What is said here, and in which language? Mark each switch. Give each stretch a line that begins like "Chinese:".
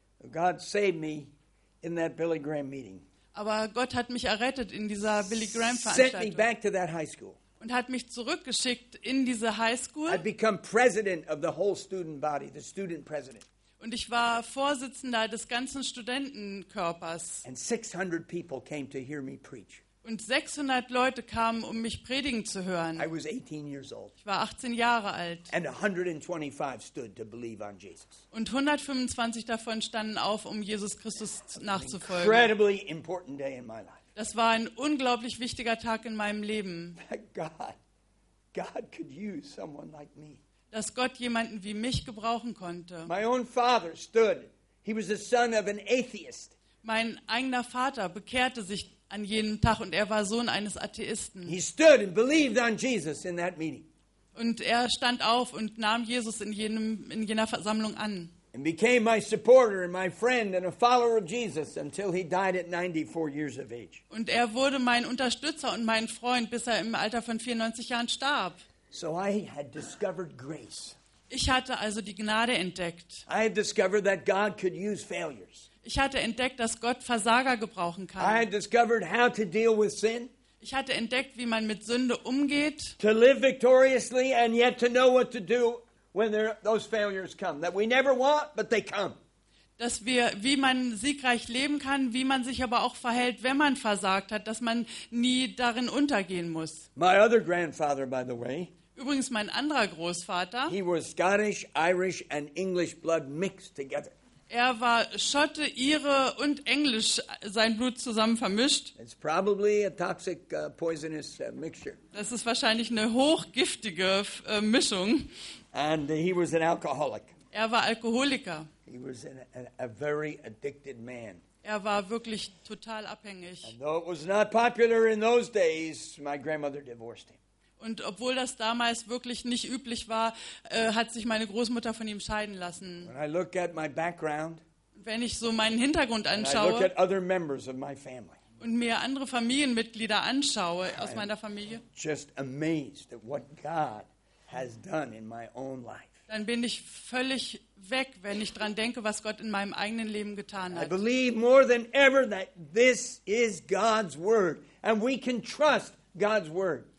English: God saved me in that Billy Graham meeting.
German: Aber Gott hat mich errettet in dieser Billy Graham Veranstaltung.
English: Sent me back to that high school.
German: Und hat mich zurückgeschickt in diese High School.
English: I've become president of the whole student body, the student president.
German: Und ich war Vorsitzender des ganzen Studentenkörpers.
English: And 600 people came to hear me preach.
German: Und 600 Leute kamen, um mich predigen zu hören.
English: I was 18 years old.
German: Ich war 18 Jahre alt.
English: And 125 stood to believe on Jesus.
German: Und 125 davon standen auf, um Jesus Christus nachzufolgen.
English: Incredibly important day in my life.
German: Das war ein unglaublich wichtiger Tag in meinem Leben.
English: God could use someone like me.
German: Dass Gott jemanden wie mich gebrauchen konnte.
English: My own father stood. He was the son of an atheist.
German: Mein eigener Vater bekehrte sich an jenem Tag und er war Sohn eines Atheisten.
English: He stood and believed on Jesus in that meeting.
German: Und er stand auf und nahm Jesus in jener Versammlung an.
English: And became my supporter and my friend and a follower of Jesus until he died at 94 years of age.
German: Und er wurde mein Unterstützer und mein Freund, bis er im Alter von 94 Jahren starb.
English: So I had discovered grace.
German: Ich hatte also die Gnade entdeckt.
English: I had discovered that God could use failures.
German: Ich hatte entdeckt, dass Gott Versager gebrauchen kann.
English: I had discovered how to deal with sin.
German: Ich hatte entdeckt, wie man mit Sünde umgeht.
English: To live victoriously and yet to know what to do when those failures come. That we never want, but they come.
German: Dass wir, wie man siegreich leben kann, wie man sich aber auch verhält, wenn man versagt hat, dass man nie darin untergehen muss.
English: My other grandfather, by the way,
German: übrigens mein anderer Großvater,
English: he was Scottish, Irish and English blood mixed together.
German: Er war Schotte, Ire und Englisch, sein Blut zusammen vermischt.
English: It's probably a toxic, poisonous mixture.
German: Das ist wahrscheinlich eine hochgiftige Mischung.
English: And he was an alcoholic.
German: Er war Alkoholiker.
English: He was a very addicted man.
German: Er war wirklich total abhängig.
English: And though it was not popular in those days, my grandmother divorced him.
German: Und obwohl das damals wirklich nicht üblich war, hat sich meine Großmutter von ihm scheiden lassen.
English: When I look at my background,
German: wenn ich so meinen Hintergrund anschaue,
English: and I look at other members of my family,
German: und mir andere Familienmitglieder anschaue aus meiner Familie,
English: I'm just amazed at what God has done in my own life.
German: Dann bin ich völlig weg, wenn ich dran denke, was Gott in meinem eigenen Leben getan hat.
English: I believe more than ever that this is God's word and we can trust God's word.